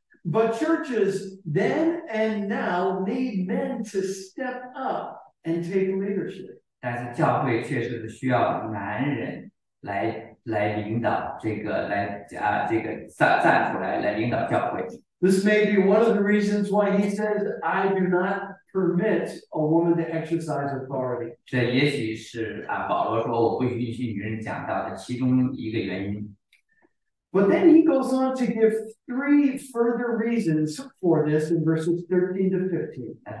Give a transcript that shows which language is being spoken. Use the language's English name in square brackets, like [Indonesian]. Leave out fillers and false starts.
[English] But churches then and now need men to step up and take leadership. [Chinese] 但是教会确实是需要男人来领导这个,来站出来,来领导教会。 [English] This may be one of the reasons why he says, I do not permit a woman to exercise authority. [Chinese] 这也许是保罗说我不允许女人讲道的其中一个原因。 [English] But then he goes on to give three further reasons for this in verses 13 to 15.